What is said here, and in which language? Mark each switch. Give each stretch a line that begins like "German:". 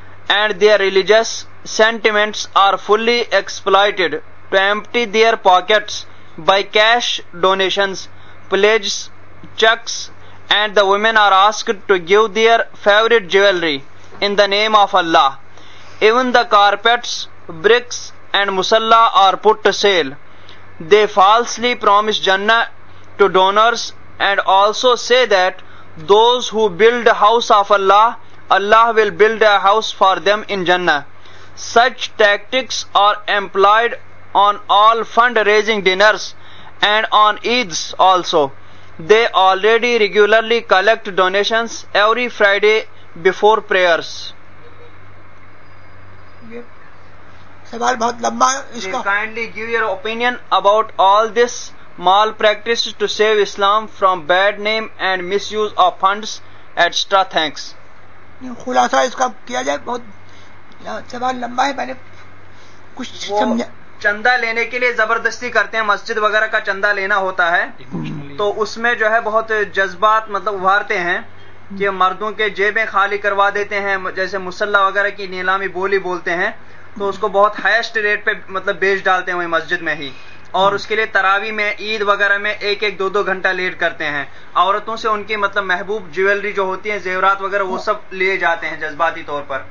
English: And their religious sentiments are fully exploited to empty their pockets by cash donations pledges cheques and the women are asked to give their favorite jewelry in the name of Allah. Even the carpets, bricks and musalla are put to sale. They falsely promise Jannah to donors and also say that those who build a house of Allah, Allah will build a house for them in Jannah. Such tactics are employed on all fundraising dinners and on Eids also. They already regularly collect donations every Friday before prayers.
Urdu: سوال بہت لمبا ہے اس کا.
English: Kindly give your opinion about all this malpractice to save Islam from bad name and misuse of funds, etc. Thanks.
Urdu: خلاصہ اس کا کیا جائے، بہت سوال لمبا ہے، میں نے کچھ سمجھا. چندہ لینے کے لیے زبردستی کرتے ہیں، مسجد وغیرہ کا چندہ لینا ہوتا ہے تو اس میں جو ہے بہت جذبات مطلب ابھارتے ہیں کہ مردوں کے جیبیں خالی کروا دیتے ہیں، جیسے مسلح وغیرہ کی نیلامی بولی بولتے ہیں تو اس کو بہت ہائیسٹ ریٹ پہ مطلب بیچ ڈالتے ہیں وہی مسجد میں ہی، اور اس کے لیے تراوی میں، عید وغیرہ میں ایک ایک دو دو گھنٹہ لیٹ کرتے ہیں، عورتوں سے ان کی مطلب محبوب جیولری جو ہوتی ہیں زیورات وغیرہ وہ سب لیے جاتے ہیں جذباتی طور پر.